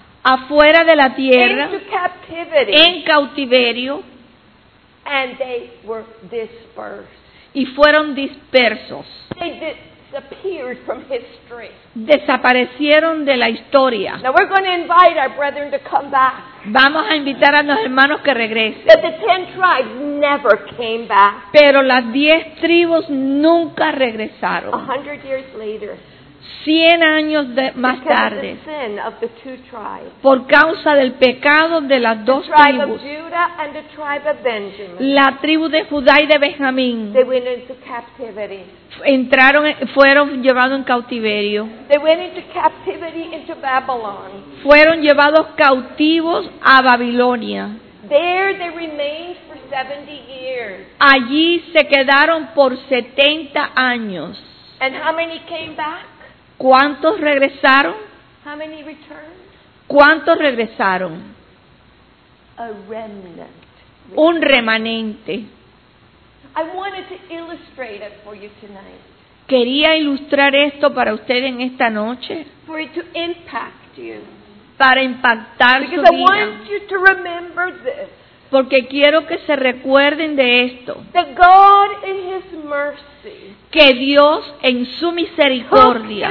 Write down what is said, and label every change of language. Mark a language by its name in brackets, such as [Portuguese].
[Spanish] Afuera de la tierra. [English] Into captivity. [Spanish] En cautiverio. [English] And they were dispersed. [Spanish] Y fueron dispersos. [English] Disappeared from history. [Spanish] Desaparecieron de la historia. [English] Now we're going to invite our brethren to come back. [Spanish] Vamos a invitar a los hermanos que regresen. [English] But the 10 tribes never came back. [Spanish] Pero las 10 tribus nunca regresaron. [English] 100 years later. [Spanish] 100 años de, más tarde. [English] Because of the sin of the two tribes. [Spanish] Por causa del pecado de las dos [English] tribes. The tribe of Judah and the tribe of Benjamin. [Spanish] La tribu de Judá y de Benjamín. [English] They went into captivity. [Spanish] Entraron, fueron llevados en cautiverio. [English] They went into captivity into Babylon. [Spanish] Fueron llevados cautivos a Babilonia. [English] There they remained for 70 years. [Spanish] Allí se quedaron por 70 años. [English] And how many came back? [Spanish] ¿Cuántos regresaron? [English] How many returned? [Spanish] ¿Cuántos regresaron? [English] A remnant. [Spanish] Un remanente. [English] I wanted to illustrate it for you tonight. [Spanish] Quería ilustrar esto para ustedes en esta noche. [English] For it to impact you. [Spanish] Para impactar [English] Because [Spanish] su [English] I [Spanish] vida. [English] Want you to remember this. [Spanish] Porque quiero que se recuerden de esto. [English] That God in his mercy, [Spanish] que Dios en su misericordia